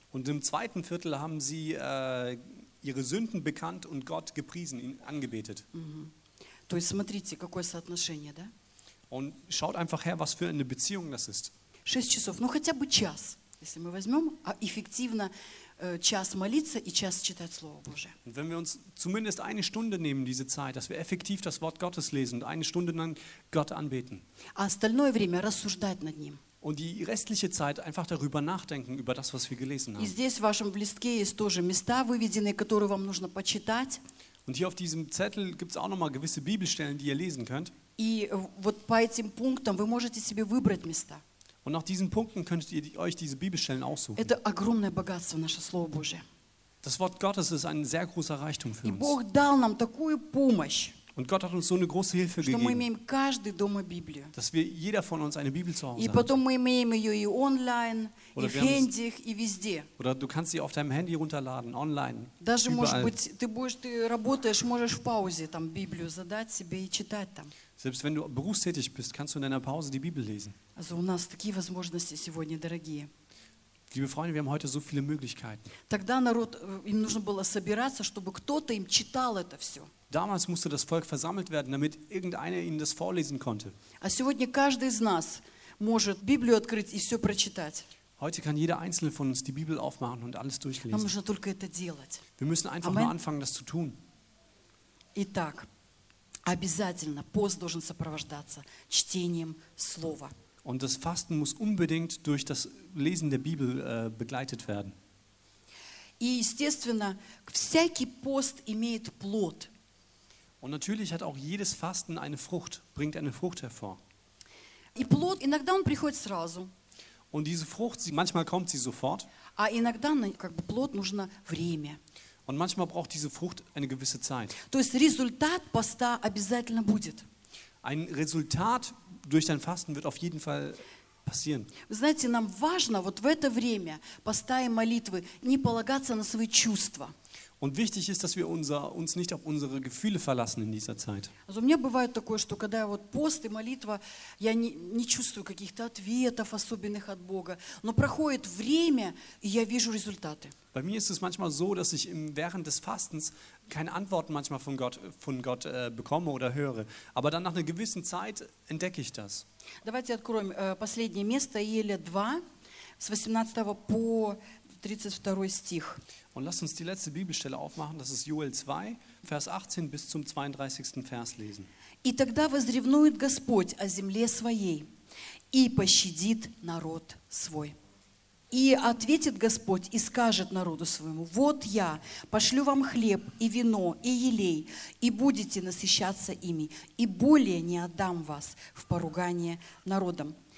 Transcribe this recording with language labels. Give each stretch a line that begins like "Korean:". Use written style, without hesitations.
German: Und im zweiten Viertel haben sie ihre Sünden bekannt und Gott gepriesen, ihn angebetet.
Russian: То есть смотрите, какое соотношение, да?
German: Und schaut einfach her, was für eine Beziehung das ist.
Russian: 6 часов, ну хотя бы час, если мы возьмем, а эффективно час молиться и час читать Слово Божие.
German: Und wenn wir uns zumindest eine Stunde nehmen, diese Zeit, dass wir effektiv das Wort Gottes lesen und eine Stunde lang Gott anbeten.
Russian: А остальное время рассуждать над ним.
German: Und die restliche Zeit einfach darüber nachdenken, über das, was wir gelesen haben.
Russian: И здесь в вашем листке есть тоже места выведенные, которые вам нужно почитать.
German: Und hier auf diesem Zettel gibt es auch nochmal gewisse Bibelstellen, die ihr lesen könnt.
Russian: И вот по этим пунктам вы можете себе выбрать места.
German: Und nach diesen Punkten könntet ihr euch diese Bibelstellen aussuchen.
Russian: Это огромное богатство наше Слово Божие.
German: Das Wort Gottes ist ein sehr großer Reichtum für uns.
Russian: И Бог дал нам такую помощь.
German: Und Gott hat uns so eine große Hilfe gegeben.
Russian: Мы имеем каждый дома Библию.
German: Dass wir jeder von uns eine Bibel zu Hause
Russian: И потом мы имеем ее и онлайн,
German: oder
Russian: и в хендях, и везде.
German: Oder du kannst sie auf deinem Handy runterladen, online.
Russian: Даже
German: überall.
Russian: Может быть, ты работаешь, можешь в паузе там Библию задать себе и читать там.
German: Selbst wenn du berufstätig bist, kannst du in deiner Pause die Bibel lesen. Also
Russian: у нас такие возможности сегодня, дорогие.
German: Liebe Freunde, wir haben heute so viele Möglichkeiten.
Russian: Тогда народ им нужно было собираться, чтобы кто-то им читал это все.
German: Damals musste das Volk versammelt werden, damit irgendeiner ihnen das vorlesen konnte.
Russian: А сегодня каждый из нас может Библию открыть и все прочитать.
German: Heute kann jeder Einzelne von uns die Bibel aufmachen und alles durchlesen.
Russian: Нам нужно только это делать.
German: Wir müssen einfach Amen. Nur anfangen, das zu tun.
Russian: Итак, обязательно пост должен сопровождаться чтением слова.
German: Und das Fasten muss unbedingt durch das Lesen der Bibel begleitet werden.
Russian: И естественно, всякий пост имеет плод.
German: Und natürlich hat auch jedes Fasten eine Frucht, bringt eine Frucht hervor.
Russian: И плод иногда он приходит сразу.
German: Und diese Frucht, manchmal kommt sie sofort.
Russian: А иногда, как бы, плод нужно время.
German: Und manchmal braucht diese Frucht eine gewisse Zeit.
Russian: То есть результат поста обязательно будет.
German: Ein Resultat durch dein Fasten wird auf jeden Fall passieren.
Russian: Вы знаете, нам важно вот в это время поста и молитвы не полагаться на свои чувства.
German: Und wichtig ist, dass wir uns nicht auf unsere Gefühle verlassen in dieser Zeit. Also,
Russian: мне бывает такое, что когда я вот пост и молитва, я не чувствую каких-то ответов особенных от Бога, но проходит время, и я вижу результаты.
German: Bei mir ist es manchmal so, dass ich während des Fastens keine Antworten manchmal von Gott bekomme oder höre, aber dann nach einer gewissen Zeit entdecke ich das.
Russian: Давайте откроем последнее место, Иеремия 2, с 18 по 32 стих.
German: Und lass uns die letzte Bibelstelle aufmachen, das ist Joel 2, Vers 18 bis zum 32. Vers lesen.
Russian: И тогда возревнует Господь о земле своей и пощадит народ свой. И ответит Господь и скажет народу своему: вот я пошлю вам хлеб и вино и елей, и будете насыщаться ими, и более не отдам вас в поругание народам.